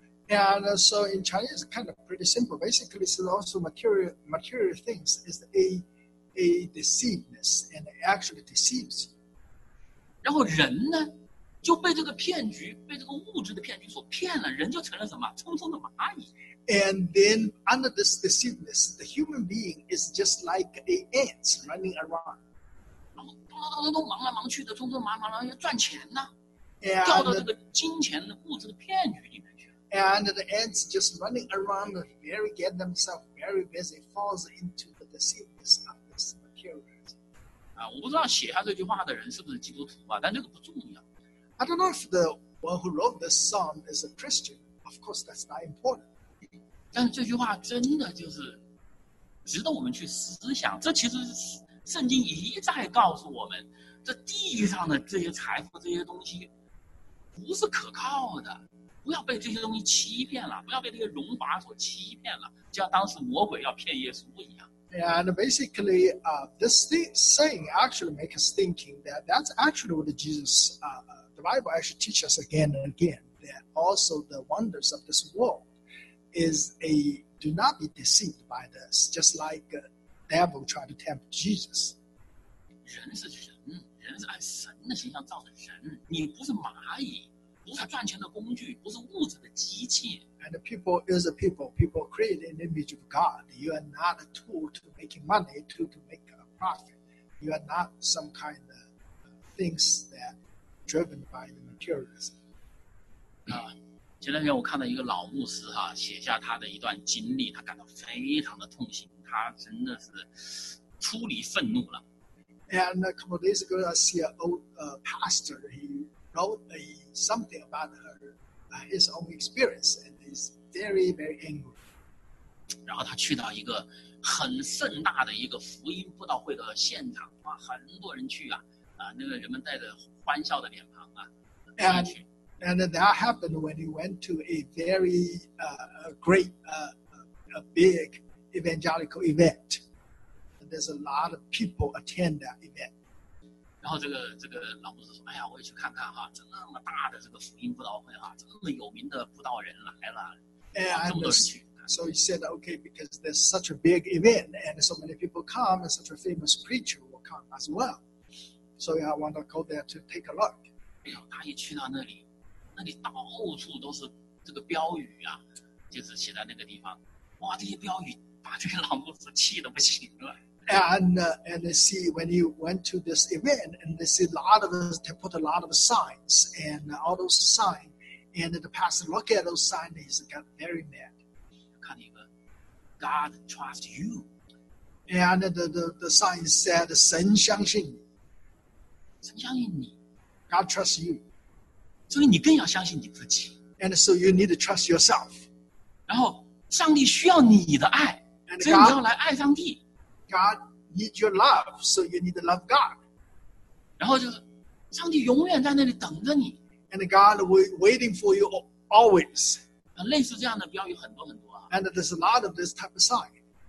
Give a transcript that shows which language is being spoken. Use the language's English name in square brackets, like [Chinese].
[English] And so in Chinese, kind of pretty pretty simple. Basically, it's also material things. It's a deceitness, and it actually deceives you. [Chinese] 然后人呢，就被这个骗局，被这个物质的骗局所骗了，人就成了什么？匆匆的蚂蚁。 [English] And then under this deceitness, the human being is just like an ant running around. [Chinese] 然后咚咚咚咚咚，忙来忙去的，匆匆忙忙，然后要赚钱呢。掉到这个金钱的物质的骗局里面去。 [English] And the ants just running around, very get themselves very busy, falls into the deceitness of this materialism. [Chinese] 啊，我不知道写下这句话的人是不是基督徒吧，但这个不重要。 [English] I don't know if the one who wrote this psalm is a Christian. Of course, that's not important. [Chinese] 但是这句话真的就是值得我们去思想。这其实是圣经一再告诉我们，这地上的这些财富、这些东西不是可靠的。不要被这些东西欺骗了，不要被这些荣华所欺骗了，就像当时魔鬼要骗耶稣一样。 [English] And basically, this saying actually makes us thinking that that's actually what Jesus, the Bible actually teaches us again and again, that also the wonders of this world is a, do not be deceived by this, just like the devil tried to tempt Jesus. [Chinese] 人是神，人是按神的形象造的人，你不是蚂蚁。不是赚钱的工具，不是物质的机器。 [English] And people is a people. People created in the image of God. You are not a tool to making money, tool to make a profit. You are not some kind of things that driven by the materialism. [Chinese] 前两天我看到一个老牧师哈、写下他的一段经历，他感到非常的痛心，他真的是出离愤怒了。 [English] And a couple of days ago, I see an old pastor. He wrote a something about her, his own experience, and he's very, very angry. [Chinese] 然后他去到一个很盛大的一个福音布道会的现场，哇，很多人去啊，那个人们带着欢笑的脸庞啊。 [English] And that happened when he went to a very great, a big evangelical event. There's a lot of people attend that event. [Chinese] 然后这个老牧师说：“哎呀，我也去看看哈，这么大的这个福音布道会啊，这么有名的布道人来了，这么多人去。” [English] So he said, "Okay, because there's such a big event and so many people come, and such a famous preacher will come as well. So I want to go there to take a look." [Chinese] 哎呦，他一去到那里，那里到处都是这个标语啊，就是写在那个地方。哇，这些标语把这个老牧师气得不行了。 [English] And they see when you went to this event, and they see a lot of they put a lot of signs and all those signs, and the pastor look at those signs, he's got very mad. [Chinese] 看一个 [English] God trust you, and the sign said [Chinese] 神相信你，神相信你 [English] ，God trust you. [Chinese] 所以你更要相信你自己。 [English] And so you need to trust yourself. [Chinese] 然后上帝需要你的爱， [English] and、 [Chinese] 所以你要来爱上帝。 [English] God needs your love, so you need to love God. [Chinese] 然后就是，上帝永远在那里等着你。 [English] And God waiting for you always. [Chinese] 类似这样的标语很多很多啊。 [English] And there's a lot of this type of sign.